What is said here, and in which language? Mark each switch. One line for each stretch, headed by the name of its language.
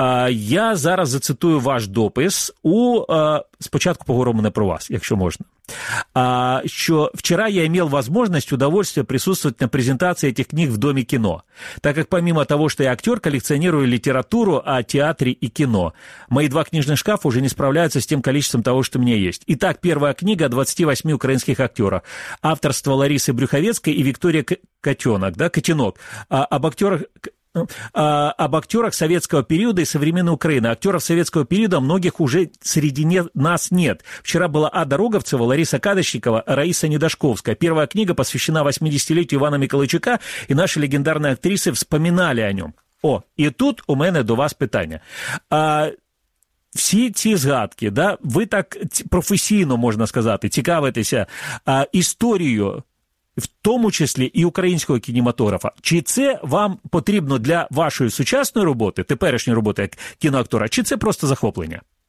Ukrainian: Я зараз зацитую ваш допис у... Спочатку поговоримо не про вас, якщо можна. Що вчора я
Russian: имел возможность удовольствие присутствовать на презентации этих книг в Доме кино, так как помимо того, что я актер, коллекционирую литературу о театре и кино. Мои два книжных шкафа уже не справляются с тем количеством того, что у меня есть. Итак, первая книга 28 украинских актеров. Авторство Ларисы Брюховецкой и Виктория Котенок. Да, Котенок. Об актерах... Об актерах советского периода и современной Украины. Актеров советского периода многих уже среди нас нет. Вчера была Ада Роговцева, Лариса Кадочникова, Раиса Недашковская. Первая книга посвящена 80-летию Ивана Миколайчука, и наши легендарные актрисы вспоминали о нем.
Ukrainian: О,
Russian: и тут у меня
Ukrainian: до вас питання. Всі ці згадки, да, ви так професійно, можна сказати, цікавитеся історією, в тому числі і українського кінематографа. Чи це вам потрібно для вашої сучасної роботи, теперішньої роботи як кіноактора, чи це просто захоплення?